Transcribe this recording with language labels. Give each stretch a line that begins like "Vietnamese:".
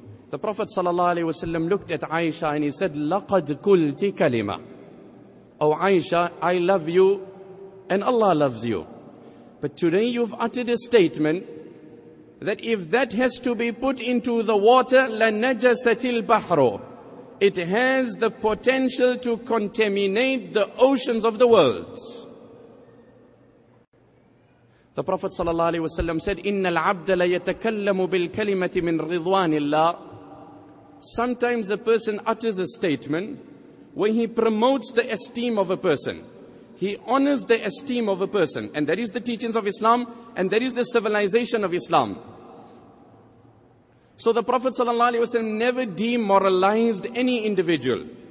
English: The Prophet sallallahu alaihi wasallam looked at Aisha and he said,
Arabic: "Laqad kulti kalima."
English: O Aisha, I love you and Allah loves you. But today you've uttered a statement that if that has to be put into the water,
Arabic: لَنَجَسَتِ الْبَحْرُ,
English: it has the potential to contaminate the oceans of the world. The Prophet sallallahu alaihi wasallam said,
Arabic: إِنَّ الْعَبْدَ لَيَتَكَلَّمُ بِالْكَلِمَةِ مِنْ رِضْوَانِ اللَّهِ.
English: Sometimes a person utters a statement where he promotes the esteem of a person. He honors the esteem of a person. And that is the teachings of Islam, and that is the civilization of Islam. So the Prophet sallallahu alaihi wasallam never demoralized any individual.